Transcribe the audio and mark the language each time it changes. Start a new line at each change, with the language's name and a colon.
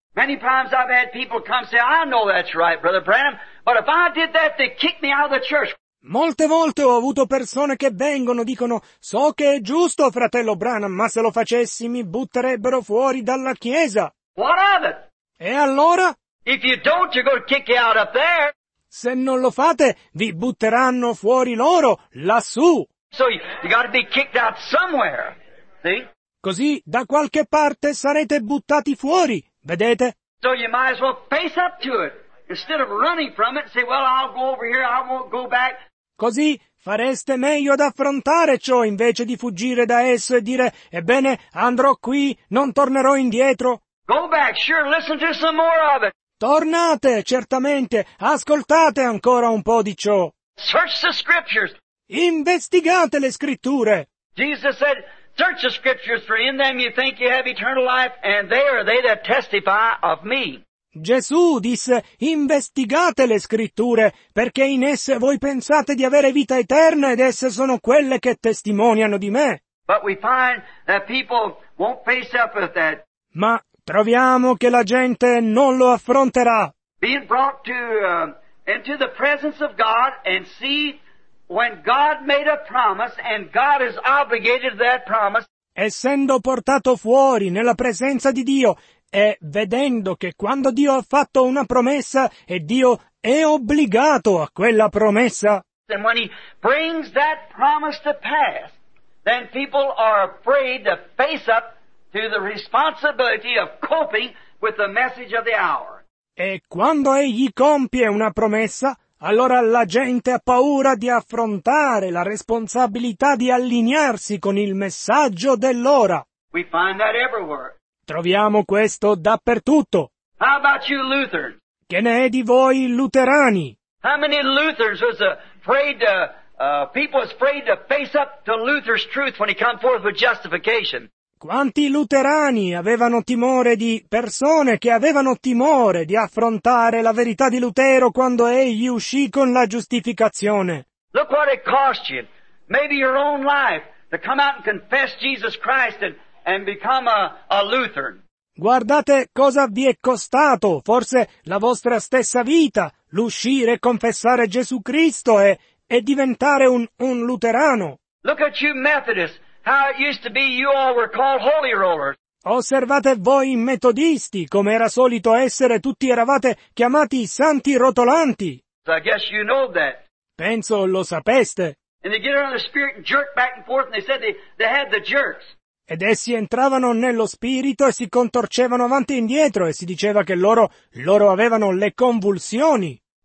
English: Many times I've had people come say, I know that's right, Brother Branham, but if I did that, they'd kick me out of the church.
Italian: Molte volte ho avuto persone che vengono, dicono, so che è giusto, fratello Branham, ma se lo facessi mi butterebbero fuori dalla chiesa.
English: What of it?
Italian: E allora?
English: If you don't, you're gonna kick you out up there.
Italian: Se non lo fate, vi butteranno fuori loro, lassù.
English: So you gotta be kicked out somewhere, see?
Italian: Così da qualche parte sarete buttati fuori, vedete?
English: So you might as well face up to it. Instead of running from it, say, well, I'll go over here, I won't go back.
Italian: Così fareste meglio ad affrontare ciò invece di fuggire da esso e dire, ebbene, andrò qui, non tornerò indietro.
English: Go back, sure, listen to some more of it.
Italian: Tornate, certamente, ascoltate ancora un po' di ciò.
English: Search the scriptures.
Italian: Investigate le scritture.
English: Jesus said, search the scriptures, for in them you think you have eternal life, and they are they that testify of me.
Italian: Gesù disse, investigate le scritture, perché in esse voi pensate di avere vita eterna ed esse sono quelle che testimoniano di me.
English: But we find that people won't face up with that.
Italian: Ma troviamo che la gente non lo affronterà.
English: Being brought to, into the presence of God and see when God made a promise and God is obligated to that promise.
Italian: Essendo portato fuori nella presenza di Dio, e vedendo che quando Dio ha fatto una promessa e Dio è obbligato a quella promessa.
English: And when he brings that promise to pass, then people are afraid to face up to the responsibility of coping with the message of the hour.
Italian: E quando egli compie una promessa, allora la gente ha paura di affrontare la responsabilità di allinearsi con il messaggio dell'ora.
English: We find that everywhere.
Italian: Troviamo questo dappertutto.
English: How about you Lutherans?
Italian: Che ne è di voi luterani?
English: How many Lutherans was afraid to, people was afraid to face up to Luther's truth when he came forth with justification?
Italian: Quanti luterani avevano timore di persone che avevano timore di affrontare la verità di Lutero quando egli uscì con la giustificazione?
English: Look what it cost you, maybe your own life, to come out and confess Jesus Christ and become a Lutheran.
Italian: Guardate cosa vi è costato, forse la vostra stessa vita, l'uscire e confessare Gesù Cristo e diventare un luterano.
English: Look at you Methodists, how it used to be you all were called holy rollers.
Italian: Osservate voi metodisti, come era solito essere, tutti eravate chiamati santi rotolanti.
English: So I guess you know that.
Italian: Penso lo sapeste.
English: And they get under the spirit and jerk back and forth and they said they had the jerks.
Italian: Ed essi entravano nello spirito e si contorcevano avanti e indietro e si diceva che loro avevano le convulsioni.